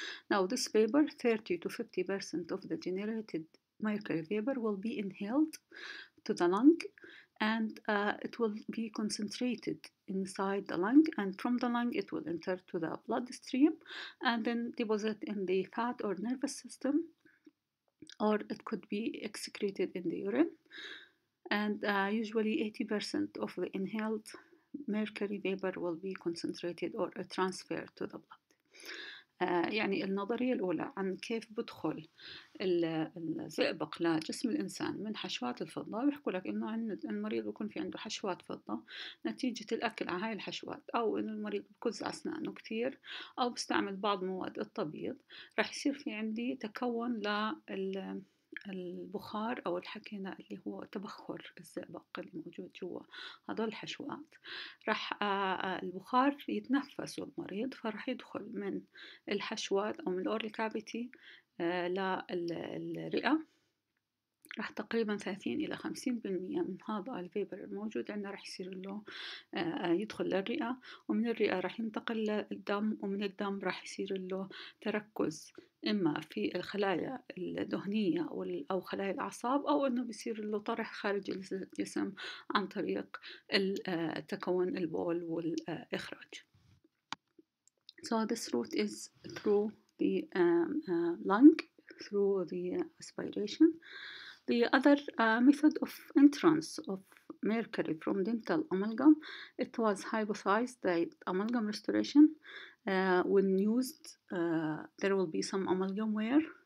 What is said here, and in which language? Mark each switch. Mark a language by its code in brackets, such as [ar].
[en] Now this vapor, 30-50% of the generated mercury vapor will be inhaled to the lung, and it will be concentrated inside the lung, and from the lung it will enter to the bloodstream and then deposit in the fat or nervous system, or it could be excreted in the urine. And usually 80% of the inhaled mercury vapor will be concentrated or transferred to the blood. [ar] يعني النظرية الأولى عن كيف بدخل الزئبق لجسم الإنسان من حشوات الفضة, بيحكوا لك إنه عند المريض بيكون في عنده حشوات فضة نتيجة الأكل على هاي الحشوات, أو إنه المريض بكز أسنانه كتير أو بستعمل بعض مواد التبييض, رح يصير في عندي تكون للبخار أو الحكينة اللي هو تبخر الزئبق اللي موجود جوا هذول الحشوات. رح البخار يتنفس المريض, فرح يدخل من الحشوات أو من الأورال كافيتي للرئة. رح تقريبا 30-50% من هذا الفيبر الموجود عندنا رح يصير له يدخل للرئة, ومن الرئة رح ينتقل للدم, ومن الدم رح يصير له تركز إما في الخلايا الدهنية أو خلايا الأعصاب, أو إنه بيصير له طرح خارج الجسم عن طريق تكون البول والإخراج. [en] So this route is through the lung, through the aspiration. The other method of entrance of mercury from dental amalgam, it was hypothesized that amalgam restoration, when used, there will be some amalgam wear,